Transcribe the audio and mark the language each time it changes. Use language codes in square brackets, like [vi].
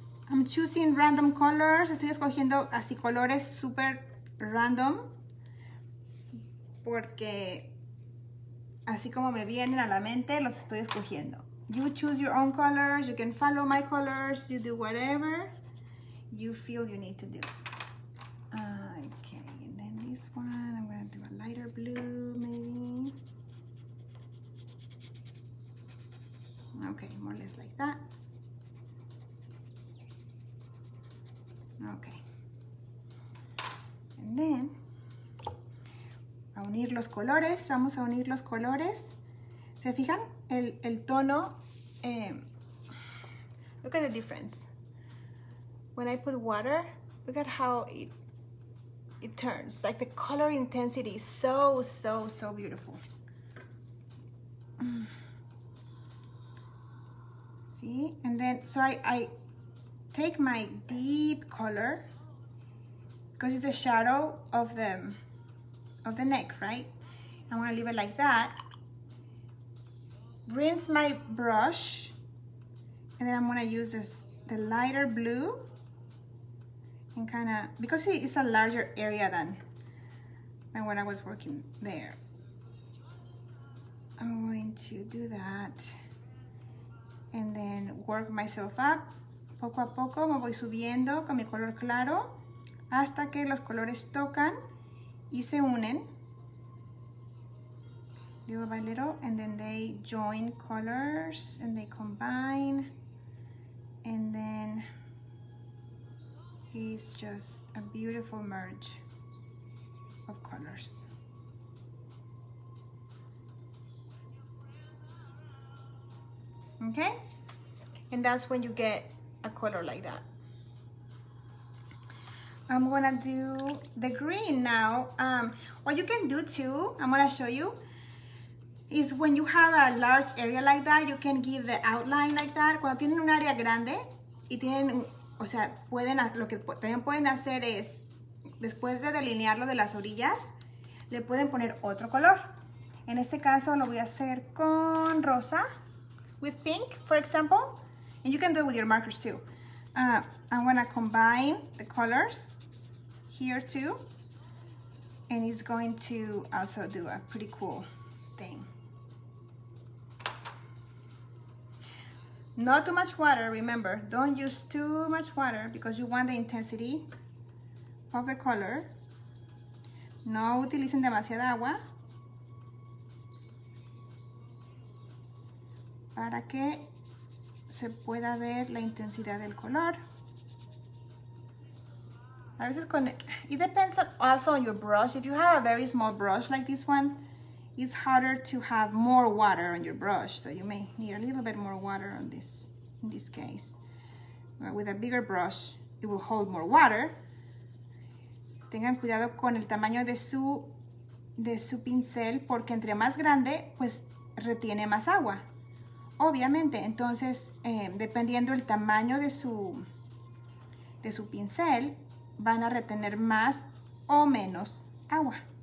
[en] I'm choosing random colors. [es] Estoy escogiendo así colores super random. Porque... así como me vienen a la mente, los estoy escogiendo. [en] You choose your own colors. You can follow my colors. You do whatever you feel you need to do. Okay, and then this one, I'm gonna do a lighter blue, maybe. Okay, more or less like that. Okay. And then... [es] vamos a unir los colores, se fijan el tono, [en] Look at the difference. When I put water, look at how it turns. Like the color intensity is so, so, so beautiful. See? And then, so I take my deep color, because it's the shadow of the neck, right? I want to leave it like that. Rinse my brush, and then I'm going to use this the lighter blue, and kind of, because it's a larger area than when I was working there. I'm going to do that, and then work myself up. [es] Poco a poco me voy subiendo con mi color claro hasta que los colores tocan y se unen. [en] Little by little, and then they join colors and they combine. And then it's just a beautiful merge of colors. Okay? And that's when you get a color like that. I'm gonna do the green now. What you can do too, I'm gonna show you, is when you have a large area like that, you can give the outline like that. [es] Cuando tienen un área grande, y tienen, o sea, pueden, lo que también pueden hacer es, después de delinearlo de las orillas, le pueden poner otro color. En este caso lo voy a hacer con rosa. [en] With pink, for example. And you can do it with your markers too. I'm gonna combine the colors here too. And it's going to also do a pretty cool thing. Not too much water, remember. Don't use too much water because you want the intensity of the color. [es] No utilicen demasiada agua. Para que se pueda ver la intensidad del color. A veces con... [en] It depends also on your brush. If you have a very small brush like this one, it's harder to have more water on your brush. So you may need a little bit more water on this, in this case. But with a bigger brush, it will hold more water. [es] Tengan cuidado con el tamaño de su pincel, porque entre más grande, pues retiene más agua. Obviamente, entonces, dependiendo el tamaño de su pincel, van a retener más o menos agua.